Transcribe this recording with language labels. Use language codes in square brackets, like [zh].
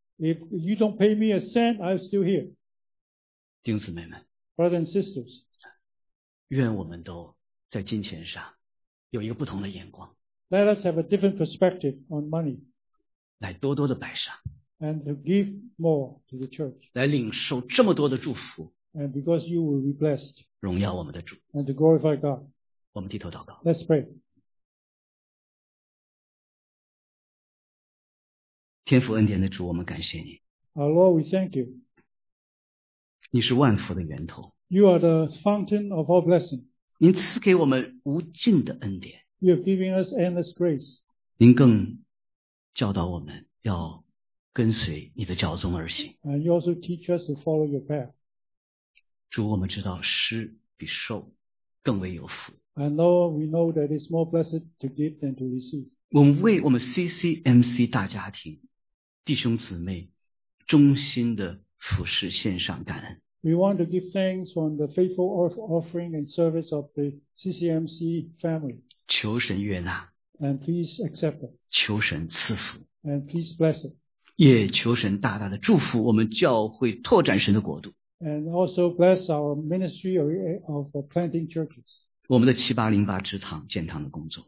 [en] If you don't pay me a cent, I'm still here. [zh] 弟兄姊妹们。 [en] Brothers and sisters. [zh] 愿我们都在金钱上有一个不同的眼光。 [en] Let us have a different perspective on money. [zh] 来多多的摆上。 [en] And to give more to the church. [zh] 来领受这么多的祝福。 [en] And because you will be blessed. [zh] 荣耀我们的主。 [en] And to glorify God. [zh] 我们低头祷告。 [en] Let's pray. [zh] 天父恩典的主，我们感谢你。 [en] Our Lord, we thank you. [zh] 你是万福的源头。 [en] You are the fountain of all blessing. [zh] 您赐给我们无尽的恩典。 [en] You have given us endless grace. [zh] 您更教导我们要跟随你的脚踪而行。 [en] And you also teach us to follow your path. [zh] 主，我们知道施比受更为有福。 [en] And Lord, we know that it's more blessed to give than to receive. [zh] 我们为我们 CCMC 大家庭弟兄姊妹忠心的服侍献上感恩。 [en] We want to give thanks from the faithful offering and service of the CCMC family. [zh] 求神悦纳。 [en] And please accept it. [zh] 求神赐福。 [en] And please bless it. [zh] 也求神大大的祝福我们教会拓展神的国度。 [en] And also bless our ministry of planting churches. [zh] 我们的7808支堂建堂的工作。